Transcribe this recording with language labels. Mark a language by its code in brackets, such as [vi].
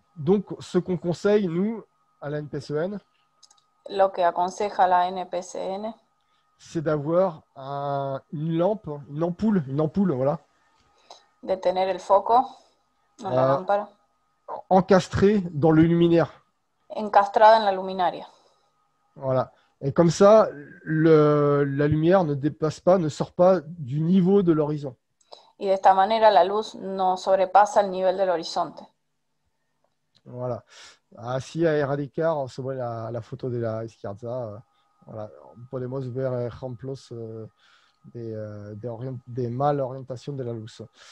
[fr] Donc, ce qu'on conseille, nous, à la NPSEN, [es] Lo que aconseja la NPCN. [fr] c'est d'avoir une lampe, une ampoule, voilà. [es] De tener el foco en la lámpara. [fr] Encastrée dans le luminaire. [es] Encastrada en la luminaria. [fr] Voilà. Et comme ça, la lumière ne dépasse pas, ne sort pas du niveau de l'horizon. [es] Y de esta manera la luz no sobrepasa el nivel del horizonte. [fr] Voilà. [es] Así a era de car, sobre la photo de la izquierda. Voilà, podemos ver ejemplos de mal orientación de la luz.